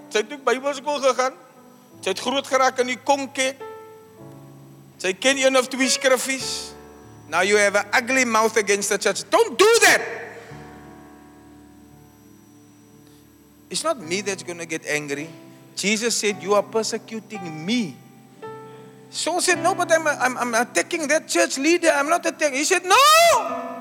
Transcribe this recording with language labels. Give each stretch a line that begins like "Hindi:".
Afrikaans: Jy het ook Bybelskool gegaan. Jy het groot geraak in die konke. Jy ken een of twee skriffies.
English: Now you have an ugly mouth against the church. Don't do that. It's not me that's going to get angry. Jesus said, you are persecuting me. Saul said, no, but I'm attacking that church leader. I'm not attacking. He said, no.